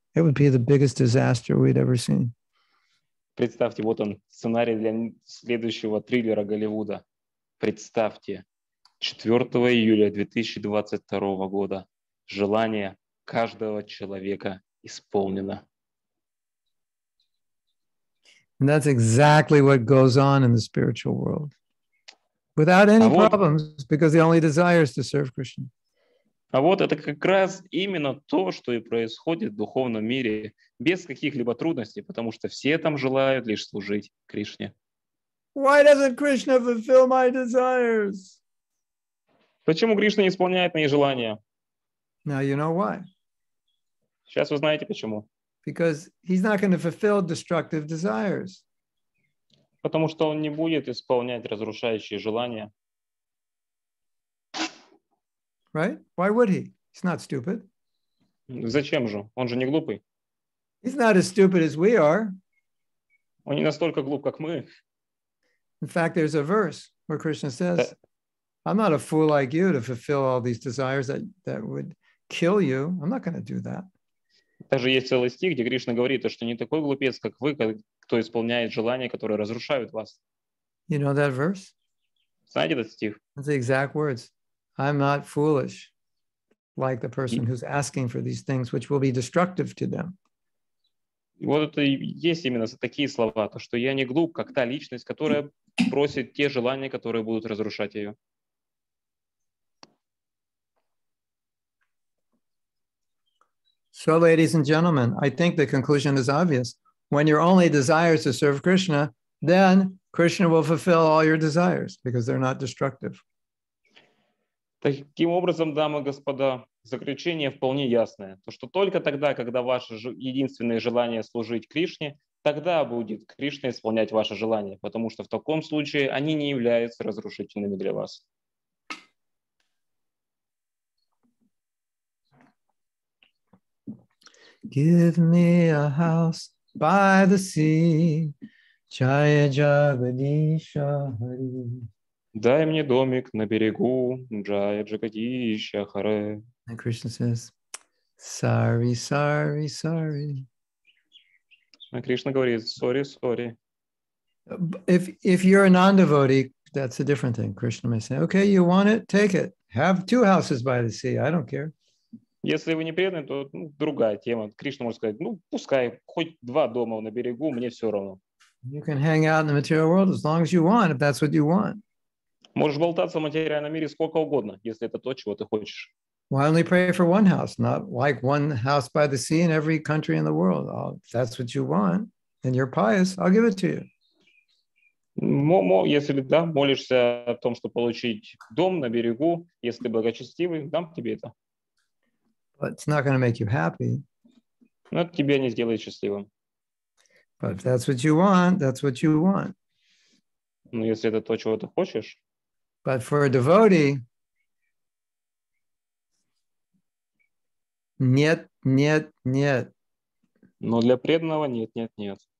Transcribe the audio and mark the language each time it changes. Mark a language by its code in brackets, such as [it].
[en] It would be the biggest disaster we'd ever seen. [ru] Представьте, вот он, сценарий для следующего триллера Голливуда. Представьте, 4 июля 2022 года желание каждого человека исполнено. [en] And that's exactly what goes on in the spiritual world. Without any problems, because the only desire is to serve Krishna. [ru] А вот это как раз именно то, что и происходит в духовном мире, без каких-либо трудностей, потому что все там желают лишь служить Кришне. [en] Why doesn't Krishna fulfill my desires? [ru] Почему Кришна не исполняет мои желания? [en] Now you know why. [ru] Сейчас вы знаете почему. [en] Because he's not going to fulfill destructive desires. [ru] Потому что он не будет исполнять разрушающие желания. [en] Right? Why would he? He's not stupid. [ru] Зачем же? Он же не глупый. [en] He's not as stupid as we are. [ru] Он не настолько глуп, как мы. [en] In fact, there's a verse where Krishna says, I'm not a fool like you to fulfill all these desires that would kill you. I'm not going to do that. [ru] Даже есть целый стих, где Кришна говорит, что не такой глупец, как вы, кто исполняет желания, которые разрушают вас. [en] You know that verse? [ru] Знаете этот стих? [en] It's the exact words. I'm not foolish, like the person who's asking for these things, which will be destructive to them. [ru] И вот это и есть именно такие слова, то, что я не глуп, как та личность, которая просит те желания, которые будут разрушать ее. [en] So, ladies and gentlemen, I think the conclusion is obvious. When your only desire is to serve Krishna, then Krishna will fulfill all your desires because they're not destructive. [ru] Таким образом, дамы и господа, заключение вполне ясное. То, что только тогда, когда ваше единственное желание служить Кришне, тогда будет Кришна исполнять ваше желание, потому что в таком случае они не являются разрушительными для вас. [en] Give me a house by the sea, Jaya Jagadisha Hari. [ru] Дай мне домик на берегу, Джая Джагадиша Харе. [en] And Krishna says, sorry, sorry, sorry. And Krishna [ru] говорит, [en] sorry, sorry. If you're a non-devotee, that's a different thing. Krishna may say, okay, you want it, take it. Have two houses by the sea, I don't care. [ru] Если вы не преданный, то ну, другая тема. Кришна может сказать, ну, пускай хоть два дома на берегу, мне все равно. [en] You can hang out in the material world as long as you want, if that's what you want. [ru] Можешь болтаться в материальном мире сколько угодно, если это то, чего ты хочешь. [en] Why only pray for one house, not like one house by the sea in every country in the world? Oh, if that's what you want, and you're pious, I'll give it to you. [ru] Если да, молишься о том, чтобы получить дом на берегу, если ты благочестивый, дам тебе это. [en] But it's not going to make you happy. [ru] Но это тебя не сделает счастливым. [en] But if that's what you want, that's what you want. [ru] Но если это то, чего ты хочешь. [en] But for a devotee, [ru] нет, нет, нет. Но для преданного нет, нет, нет.